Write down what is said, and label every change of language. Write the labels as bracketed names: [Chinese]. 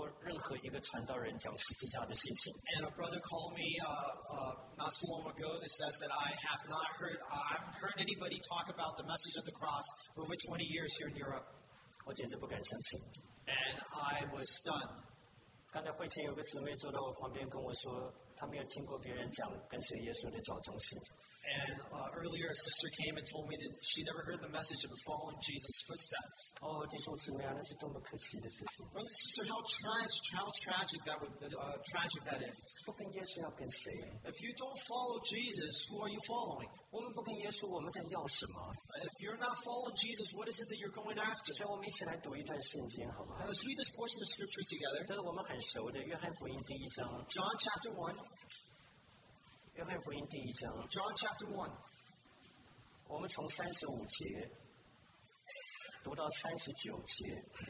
[Chinese] 几年前有一次在欧洲有一个老弟兄打电话给我，他说我在欧洲20年，我没有听过任何一个传道人讲十字架的信息。 [English] And a brother called me not so long ago that says that I haven't heard anybody talk about the message of the cross for over 20 years here in Europe. [Chinese] 我简直不敢相信。 [English] And I was stunned. [Chinese] 刚才会前有个姊妹坐在我旁边跟我说，她没有听过别人讲跟随耶稣的脚中心。 [English] And earlier, a sister came and told me that she never heard the message of following Jesus' footsteps. [Chinese] Oh, 弟兄姊妹啊，那是多么可惜的事情！ [English] Brother, sister, how tragic that would tragic that is. [Chinese] 不跟耶稣要跟谁？ [English] If you don't follow Jesus, who are you following? [Chinese] 我们不跟耶稣，我们在要什么？ [English] If you're not following Jesus, what is it that you're going after? [Chinese] 所以我们一起来读一段圣经，好吗？ [English] Let's read this portion of scripture together. [Chinese] 这是我们很熟的《约翰福音》第一章， [English] John chapter 1. John chapter 1. [Chinese] 我们从35节读到39节。